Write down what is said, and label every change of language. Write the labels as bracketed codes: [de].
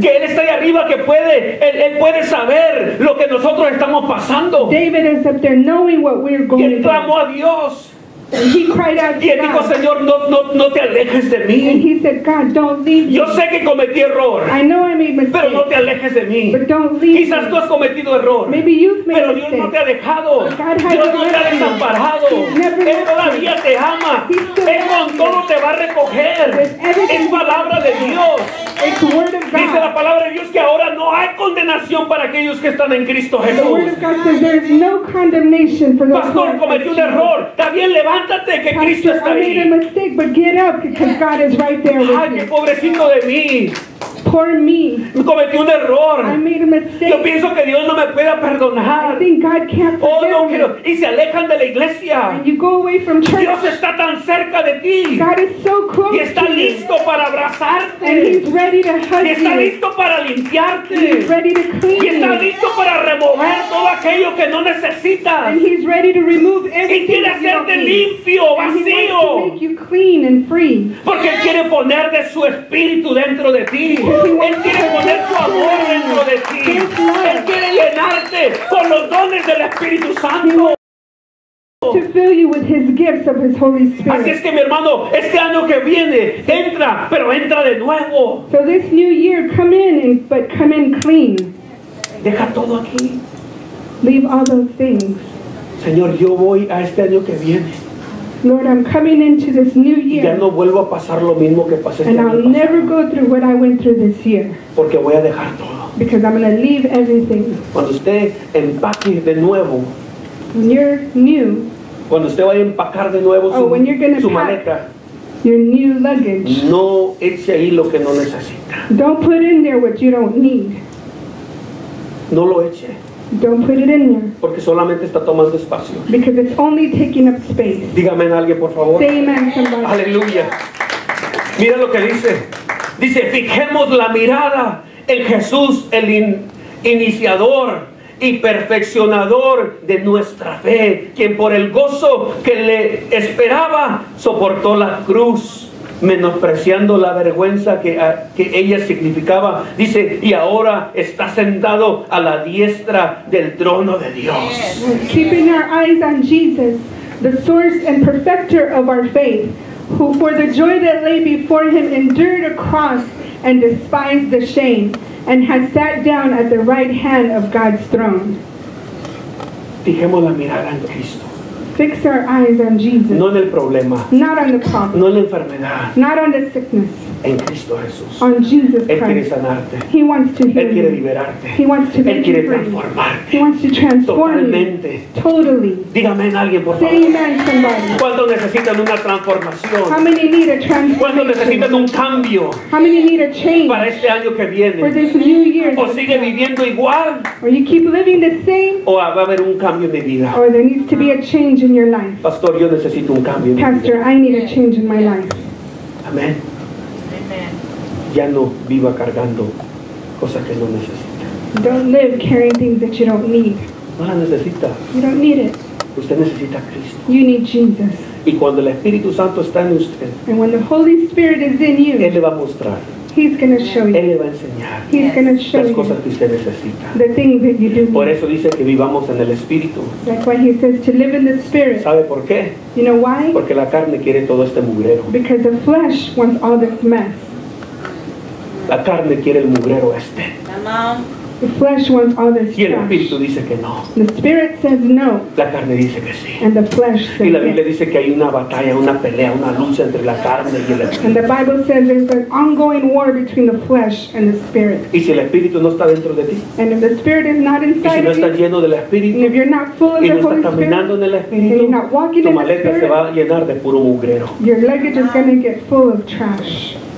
[es] Que él está ahí arriba, que puede, él puede saber lo que nosotros estamos pasando. [en] David is up there knowing what we're going through. [es] Y él clamó a Dios. [en] And he cried out to [es] y él dijo, [en] God. [es] Señor, no te alejes de mí. [en] And he said, God, don't leave me. [es] Yo sé que cometí error. [en] I know I made mistakes. [es] Pero no te alejes de mí. [en] But don't leave [es] quizás Quizás tú has cometido error. [en] Maybe you've made [es] pero [en] mistakes. [es] Dios no te ha dejado. [en] God has [es] Dios no te ha desamparado. [en] Never [es] él todavía te ama. Él con todo te va a recoger. Es palabra de Dios. [en] It's word of God. [es] Dice la palabra de Dios que ahora no hay condenación para aquellos que están en Cristo Jesús. [en] The word of God says there is no condemnation for those [es] pastor cometió un error. Está bien, levántate que pastor, Cristo está ahí. [en] I made a mistake, but get up because God is right there with [es] ay, qué pobrecito de mí. [en] Poor me. [es] Cometí un error. [en] I made a mistake. [es] Yo pienso que Dios no me pueda perdonar. [en] I think God can't forgive [es] oh, no, quiero. Y se alejan de la iglesia. [en] And you go away from church. [es] Dios está tan cerca de ti. [en] God is so close. [es] Y está listo para abrazarte. [en] And he's ready to hug you. [es] Y está listo para limpiarte. [en] And he's ready to clean you. [es] Y está listo para remover todo aquello que no necesitas. [en] And he's ready to remove everything. [es] Y quiere hacerte limpio, vacío. [en] And he wants to make you clean and free. [es] Porque él quiere poner de su espíritu dentro de ti. Él quiere poner su amor dentro de ti. Él quiere llenarte con los dones del Espíritu Santo. [en] To fill you with his gifts of his Holy Spirit. [es] Así es que mi hermano, este año que viene, entra, pero entra de nuevo. [en] So this new year, come in, but come in clean. [es] Deja todo aquí. [en] Leave all those things. [es] Señor, yo voy a este año que viene. [en] Lord, I'm coming into this new year. [es] Ya no vuelvo a pasar lo mismo que pasé este año pasado. [en] And I'll never go through what I went through this year. [es] Porque voy a dejar todo. [en] Because I'm going to leave everything. [es] Cuando usted empaque de nuevo. [en] When you're new. [es] Cuando usted vaya a empacar de nuevo su maleta. [en] Your new luggage. [es] No eche ahí lo que no necesita. [en] Don't put in there what you don't need. [es] No lo eche. [en] Don't put it in there. [es] Porque solamente está tomando espacio. [en] Because it's only taking up space. [es] Dígame a alguien, por favor. [en] Say amen, somebody. [es] Aleluya. Mira lo que dice. Dice, fijemos la mirada en Jesús, el iniciador y perfeccionador de nuestra fe, quien por el gozo que le esperaba soportó la cruz, menospreciando la vergüenza que ella significaba. Dice, y ahora está sentado a la diestra del trono de Dios. [en] Keeping our eyes on Jesus, the source and perfecter of our faith, who for the joy that lay before him endured a cross and despised the shame, and has sat down at the right hand of God's throne. [es] Fijemos la mirada en Cristo. [en] Fix our eyes on Jesus. [es] No en el problema. [en] Not on the problem. [es] No en la enfermedad. [en] Not on the sickness. [es] En Cristo Jesús. [en] On Jesus Christ. [es] Él quiere sanarte. [en] He wants to heal. [es] Él quiere liberarte. [en] He wants to make [es] Él quiere [en] you free. [es] Transformarte. [en] He wants to transform [es] Totalmente. [en] You. Totally. [es] Dígame en alguien, por [en] Say [es] favor. [en] Amen, somebody. [es] ¿Cuánto necesitan una transformación? [en] How many need a transformation? [es] ¿Cuánto necesitan un cambio? [en] How many need a change? [es] Para este año que viene. [en] For this new year. [es] ¿O sigue viviendo igual? [en] Or you keep living the same? [es] ¿O va a haber un cambio en mi vida? [en] Or there needs to be a change in your life. [es] Pastor, yo necesito un cambio en Pastor, mi vida. [en] Pastor, I need a change in my life. [es] Amén. Ya no viva cargando cosas que no necesita. [en] Don't live carrying things that you don't need. [es] No las necesita. [en] You don't need it. [es] Usted necesita a Cristo. [en] You need Jesus. [es] Y cuando el Espíritu Santo está en usted, [en] and when the Holy Spirit is in you, [es] Él le va a mostrar. [en] He's going to show you. [es] Él le va a enseñar. [en] He's going to show [es] las cosas que usted necesita. [en] The things that you do need. [es] Por eso dice que vivamos en el Espíritu. [en] That's why he says to live in the Spirit. [es] ¿Sabe por qué? [en] You know why? [es] Porque la carne quiere todo este mugrero. [en] Because the flesh wants all this mess. [es] La carne quiere el mugrero este. [en] The flesh wants all this [es] y el Espíritu [en] trash. [es] Dice que no. [en] The Spirit says no. [es] La carne dice que sí. [en] And the flesh says [es] y la Biblia dice que hay una batalla, una pelea, una lucha entre la carne y el Espíritu. [en] And the Bible says there's an ongoing war between the flesh and the Spirit. [es] Y si el Espíritu no está dentro de ti. [en] And if the Spirit is not inside [es] y si no está [en] of you, [es] lleno del Espíritu. [en] And if you're not full of [es] y no [en] the Holy [es] está caminando [en] Spirit, [es] en el Espíritu. [en] And you're not walking [es] tu maleta [en] in the Spirit, [es] se va a llenar de puro mugrero. [en] Your luggage is going to get full of trash.